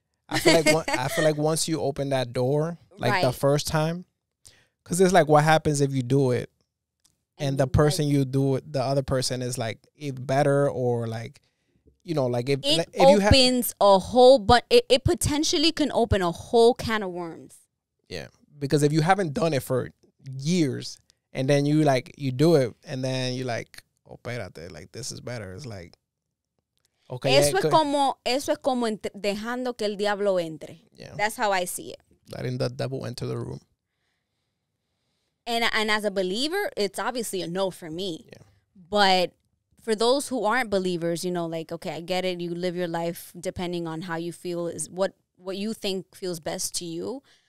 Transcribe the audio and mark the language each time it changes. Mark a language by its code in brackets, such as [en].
[en] I feel like once you open that door, like right. the first time, because it's like what happens if you do it and the person like, you do it, the other person is like either better or like. You know, like if you opens a whole, but it potentially can open a whole can of worms. Yeah, because if you haven't done it for years, and then you like you do it, and then you like, [es] espérate, [en] like this is better. It's like, okay, [es] eso es como dejando que el diablo entre. [en] Yeah, that's how I see it. Letting the devil enter the room. And as a believer, it's obviously a no for me. Yeah, but. For those who aren't believers, you know, like, okay, I get it. You live your life depending on how you feel is what you think feels best to you.